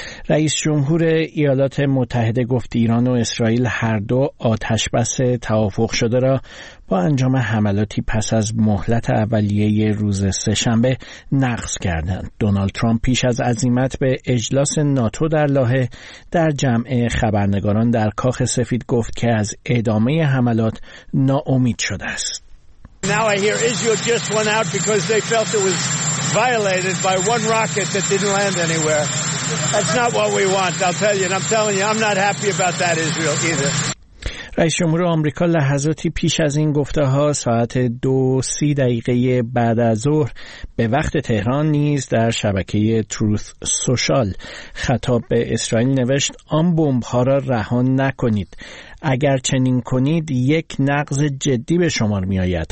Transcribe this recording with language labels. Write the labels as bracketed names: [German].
[Persian] رئیس جمهور ایالات متحده گفت ایران و اسرائیل هر دو آتش بس توافق شده را با انجام حملاتی پس از مهلت اولیه روز سه‌شنبه نقض کردند. دونالد ترامپ پیش از عزیمت به اجلاس ناتو در لاهه در جمع خبرنگاران در کاخ سفید گفت که از ادامه حملات ناامید شده است. [English] Now I hear Israel just went out because they felt it was violated by one rocket that didn't land anywhere. That's not what we want. I'm telling you, I'm not happy about that, Israel either. [Persian] رئیس جمهور آمریکا لحظاتی پیش از این گفته‌ها ساعت 2:30 بعد از ظهر به وقت تهران نیز در شبکه تروث سوشال خطاب به اسرائیل نوشت آن بمب‌ها را رها نکنید. اگر چنین کنید یک نقض جدی به شمار می آید.